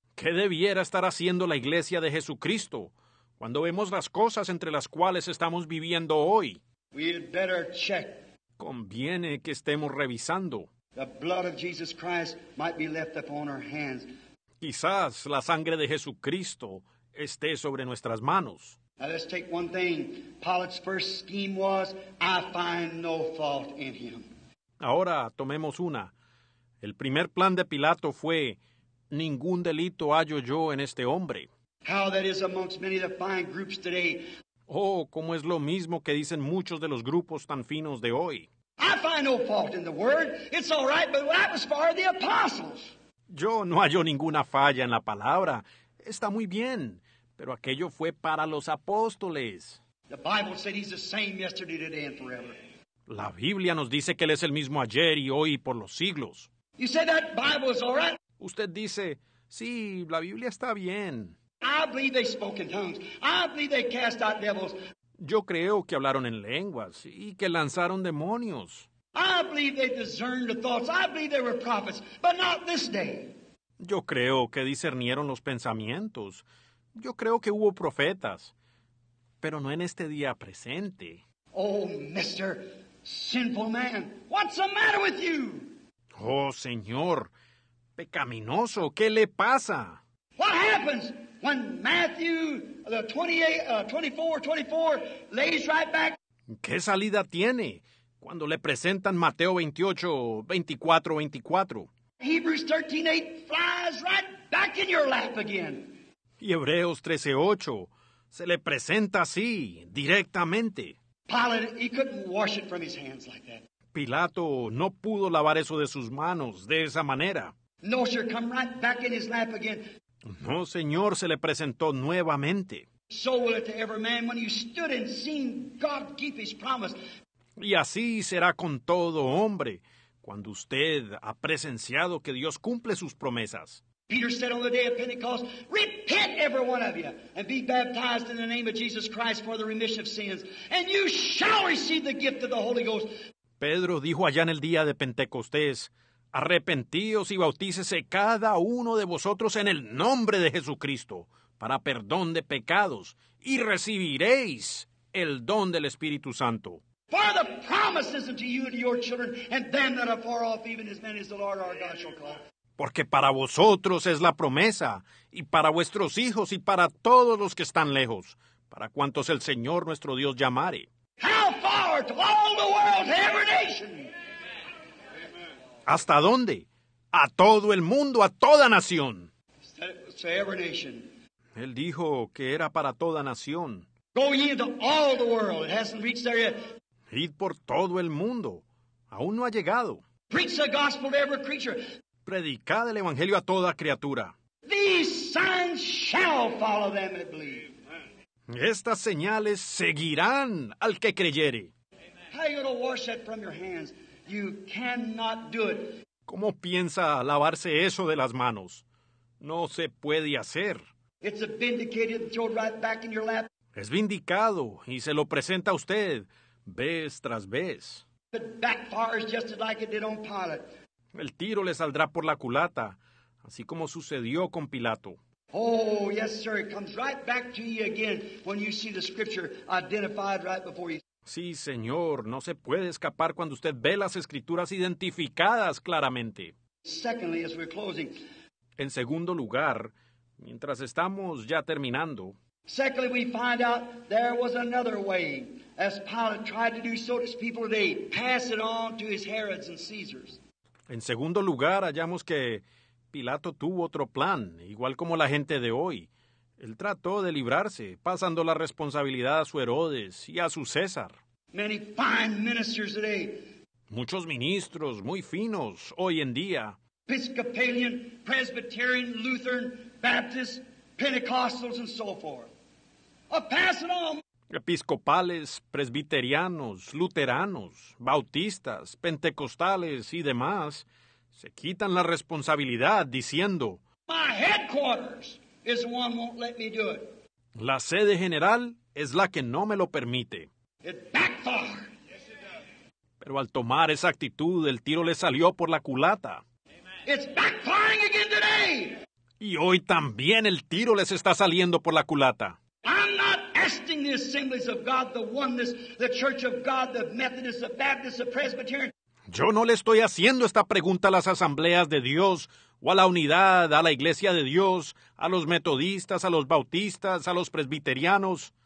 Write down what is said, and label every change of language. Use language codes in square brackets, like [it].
[es] ¿Qué debiera estar haciendo la Iglesia de Jesucristo cuando vemos las cosas entre las cuales estamos viviendo hoy? [en] We'd better check. [es] Conviene que estemos revisando. [en] The blood of Jesus Christ might be left upon our hands. [es] Quizás la sangre de Jesucristo esté sobre nuestras manos. [en] Now let's take one thing. Pilate's first scheme was, I find no fault in him. [es] Ahora tomemos una. El primer plan de Pilato fue, ningún delito hallo yo en este hombre. [en] How that is amongst many of the fine groups today. [es] Oh, cómo es lo mismo que dicen muchos de los grupos tan finos de hoy. [en] I find no fault in the word. It's all right, but that was for the apostles. [es] Yo no hallo ninguna falla en la palabra. Está muy bien, pero aquello fue para los apóstoles. [en] The Bible said he's the same yesterday, today, and forever. [es] La Biblia nos dice que él es el mismo ayer y hoy y por los siglos. [en] You say that Bible is all right? [es] Usted dice, sí, la Biblia está bien. [en] I believe they spoke in tongues. I believe they cast out devils. [es] Yo creo que hablaron en lenguas y que lanzaron demonios. [en] I believe they discerned the thoughts. I believe they were prophets, but not this day. [es] Yo creo que discernieron los pensamientos. Yo creo que hubo profetas, pero no en este día presente. [en] Oh, Mr. Sinful Man, what's the matter with you? [es] Oh, Señor, pecaminoso, ¿qué le pasa? [en] What happens when Matthew, the 24:24, lays right back? [es] ¿Qué salida tiene cuando le presentan Mateo 28:24-24? [en] Hebrews 13:8 flies right back in your lap again. [es] Y Hebreos 13:8 se le presenta así, directamente. [en] Pilate, he couldn't wash it from his hands like that. [es] Pilato no pudo lavar eso de sus manos de esa manera. [en] No, sir, come right back in his lap again. [es] No, Señor, se le presentó nuevamente. [en] So will it to every man when you stood and seen God keep his promise. [es] Y así será con todo hombre cuando usted ha presenciado que Dios cumple sus promesas. [en] Peter said on the day of Pentecost, repent every one of you and be baptized in the name of Jesus Christ for the remission of sins, and you shall receive the gift of the Holy Ghost. [es] Pedro dijo allá en el día de Pentecostés, arrepentíos y bautícese cada uno de vosotros en el nombre de Jesucristo para perdón de pecados y recibiréis el don del Espíritu Santo. [en] For the promises unto you and your children and them that are far off, even as many as the Lord our God shall call. [es] Porque para vosotros es la promesa, y para vuestros hijos, y para todos los que están lejos, para cuantos el Señor nuestro Dios llamare. [en] How far to all the world, to every nation. [es] ¿Hasta dónde? A todo el mundo, a toda nación. [en] To every nation. [es] Él dijo que era para toda nación. [en] Go ye into all the world. It hasn't reached there yet. [es] Id por todo el mundo. Aún no ha llegado. [en] Preach the gospel to every creature. [es] Predicad el evangelio a toda criatura. [en] These signs shall follow them that believe. [es] Estas señales seguirán al que creyere. [en] How are you going to wash that from your hands? You cannot do it. [es] ¿Cómo piensa lavarse eso de las manos? No se puede hacer. [en] It's a vindicated throw right back in your lap. [es] Es vindicado y se lo presenta a usted vez tras vez. [en] It backfires just like it did on Pilate. [es] El tiro le saldrá por la culata, así como sucedió con Pilato. [en] Oh, yes, sir, it comes right back to you again when you see the scripture identified right before you. [es] Sí, señor, no se puede escapar cuando usted ve las escrituras identificadas claramente. [en] Secondly, as we're closing. [es] En segundo lugar, mientras estamos ya terminando. [en] Secondly, we find out there was another way, as Pilate tried to do so to his people today, pass it on to his Herods and Caesars. [es] En segundo lugar, hallamos que Pilato tuvo otro plan, igual como la gente de hoy. Él trató de librarse, pasando la responsabilidad a su Herodes y a su César. [en] Many fine ministers today. [es] Muchos ministros muy finos hoy en día. [en] Episcopalian, Presbyterian, Lutheran, Baptist, Pentecostals, and so forth. I'll pass it on. [es] Episcopales, presbiterianos, luteranos, bautistas, pentecostales y demás se quitan la responsabilidad diciendo: [en] My headquarters is the one who won't let me do it. [es] La sede general es la que no me lo permite. [en] It backfired. Yes, it does. [es] Pero al tomar esa actitud, el tiro le salió por la culata. [en] Amen. It's backfiring again today. [es] Y hoy también el tiro les está saliendo por la culata. [en] I'm not asking the Assemblies of God, the Oneness, the Church of God, the Methodist, the Baptist, the Presbyterian. [es] Yo no le estoy haciendo esta pregunta a las Asambleas de Dios, o a la Unidad, a la Iglesia de Dios, a los Metodistas, a los Bautistas, a los Presbiterianos.